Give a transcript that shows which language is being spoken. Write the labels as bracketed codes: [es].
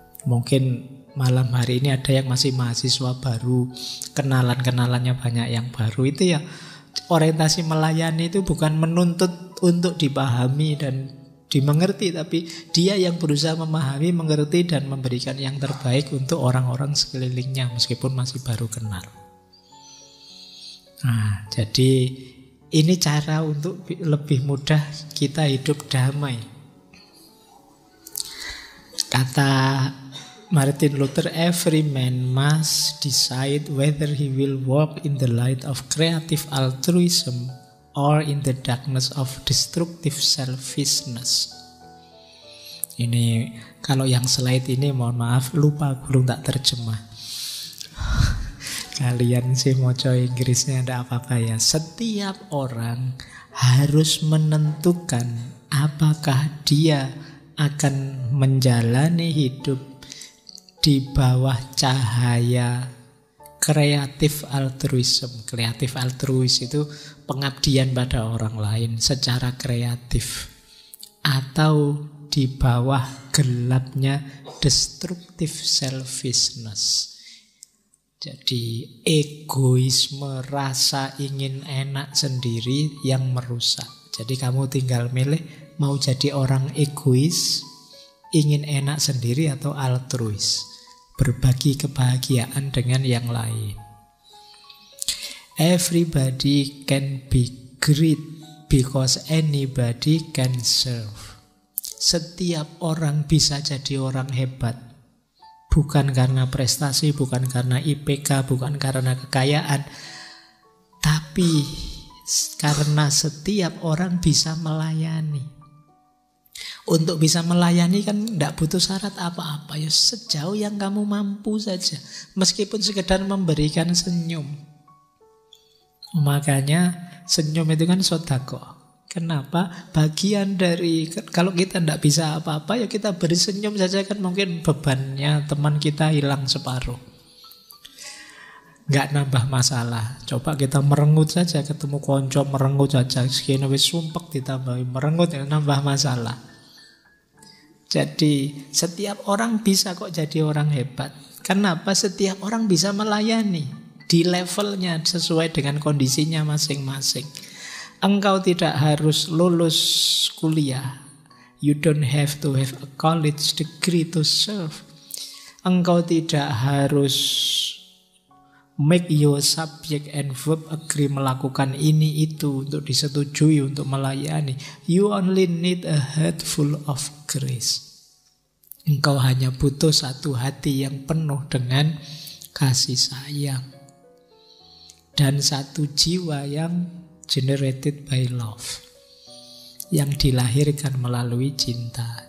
[id] Mungkin malam hari ini ada yang masih mahasiswa baru, kenalan-kenalannya banyak yang baru, itu ya orientasi melayani itu bukan menuntut untuk dipahami dan dimengerti, tapi dia yang berusaha memahami, mengerti, dan memberikan yang terbaik untuk orang-orang sekelilingnya meskipun masih baru kenal. Nah, jadi ini cara untuk lebih mudah kita hidup damai. Kata [en] Martin Luther, every man must decide whether he will walk in the light of creative altruism or in the darkness of destructive selfishness. [id] Ini kalau yang slide ini mohon maaf lupa belum tak terjemah. Kalian sih moco Inggrisnya ada apa-apa ya. Setiap orang harus menentukan apakah dia akan menjalani hidup di bawah cahaya creative altruism. Creative altruis itu pengabdian pada orang lain secara kreatif, atau di bawah gelapnya destructive selfishness. Jadi egoisme, rasa ingin enak sendiri yang merusak. Jadi kamu tinggal milih, mau jadi orang egois, ingin enak sendiri, atau altruis, berbagi kebahagiaan dengan yang lain. [en] Everybody can be great because anybody can serve. [id] Setiap orang bisa jadi orang hebat. Bukan karena prestasi, bukan karena IPK, bukan karena kekayaan. Tapi karena setiap orang bisa melayani. Untuk bisa melayani kan tidak butuh syarat apa-apa. Ya sejauh yang kamu mampu saja. Meskipun sekedar memberikan senyum. Makanya senyum itu kan sedekah. Kenapa? Bagian dari, kalau kita tidak bisa apa-apa, ya kita beri senyum saja, kan mungkin bebannya teman kita hilang separuh. Enggak nambah masalah. Coba kita merengut saja, ketemu konco merengut saja, sekian [jv] wis sumpek ditambahi [id] merengut, ya nambah masalah. Jadi setiap orang bisa kok jadi orang hebat. Kenapa? Setiap orang bisa melayani di levelnya sesuai dengan kondisinya masing-masing. Engkau tidak harus lulus kuliah. [en] You don't have to have a college degree to serve. [id] Engkau tidak harus [en] make your subject and verb agree [id] melakukan ini itu untuk disetujui, untuk melayani. [en] You only need a heart full of grace. [id] Engkau hanya butuh satu hati yang penuh dengan kasih sayang. Dan satu jiwa yang [en] generated by love, [id] yang dilahirkan melalui cinta.